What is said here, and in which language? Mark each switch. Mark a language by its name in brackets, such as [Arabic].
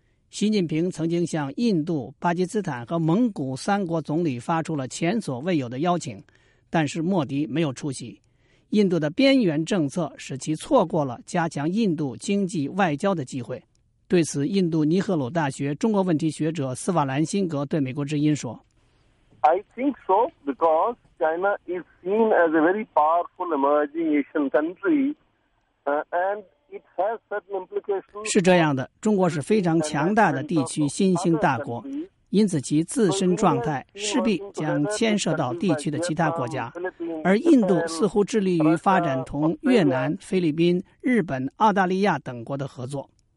[Chinese] 习近平曾经向印度、巴基斯坦和蒙古三国总理发出了前所未有的邀请，但是莫迪没有出席。印度的边缘政策使其错过了加强印度经济外交的机会。对此，印度尼赫鲁大学中国问题学者斯瓦兰辛格对美国之音说， [English] I think so, because China is seen as a very powerful emerging Asian country, and it has certain implications. [Chinese] 是这样的，中国是非常强大的地区新兴大国，因此其自身状态势必将牵涉到地区的其他国家。而印度似乎致力于发展同越南、菲律宾、日本、澳大利亚等国的合作。